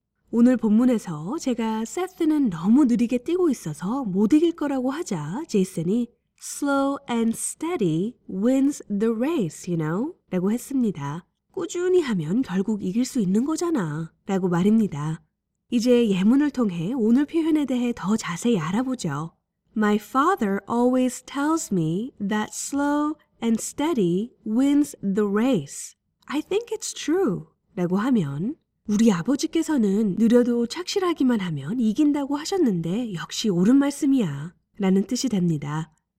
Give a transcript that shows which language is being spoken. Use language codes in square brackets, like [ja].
[ko] 오늘 본문에서 제가 세스는 너무 느리게 뛰고 있어서 못 이길 거라고 하자 제이슨이 [en] slow and steady wins the race, you know? [ko] 라고 했습니다. 꾸준히 하면 결국 이길 수 있는 거잖아 라고 말입니다. 이제 예문을 통해 오늘 표현에 대해 더 자세히 알아보죠. [en] My father always tells me that slow and steady wins the race. I think it's true. [ko] 라고 하면 우리 아버지께서는 느려도 착실하기만 하면 이긴다고 하셨는데 역시 옳은 말씀이야 라는 뜻이 됩니다.